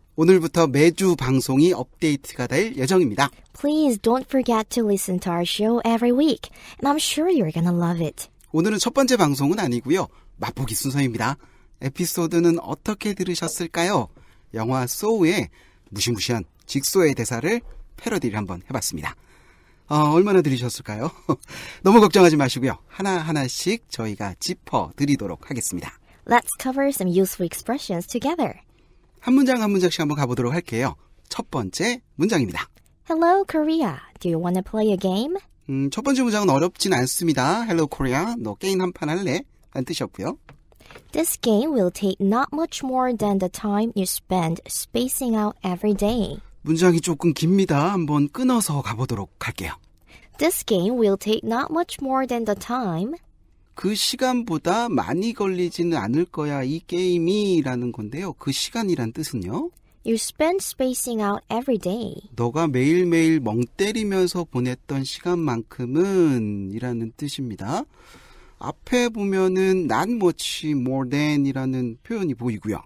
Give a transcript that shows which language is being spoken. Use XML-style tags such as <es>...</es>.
<ko>오늘부터 매주 방송이 업데이트가 될 예정입니다.</ko> <en>Please don't forget to listen to our show every week. And I'm sure you're gonna love it.</en> <ko>오늘은 첫 번째 방송은 아니고요. 맛보기 순서입니다. 에피소드는 어떻게 들으셨을까요? 영화 소우의 무시무시한 직소의 대사를 패러디를 한번 해봤습니다. 얼마나 들으셨을까요? 너무 걱정하지 마시고요. 하나하나씩 저희가 짚어드리도록 하겠습니다.</ko> <en>Let's cover some useful expressions together.</en> <ko>한 문장 한 문장씩 한번 가보도록 할게요. 첫 번째 문장입니다.</ko> <en>Hello, Korea. Do you want to play a game?</en> <ko>첫 번째 문장은 어렵진 않습니다.</ko> <en>Hello, Korea.</en> <ko>너 게임 한 판 할래? 라는 뜻이었고요.</ko> <en>This game will take not much more than the time you spend spacing out every day.</en> <ko>문장이 조금 깁니다. 한번 끊어서 가보도록 할게요.</ko> <en>This game will take not much more than the time.</en> <ko>그 시간보다 많이 걸리지는 않을 거야, 이 게임이 라는 건데요. 그 시간이란 뜻은요?</ko> <en>You spend spacing out every day.</en> <ko>너가 매일매일 멍 때리면서 보냈던 시간만큼은 이라는 뜻입니다. 앞에 보면은</ko> <en>not much more than</en> <ko>이라는 표현이 보이고요.</ko>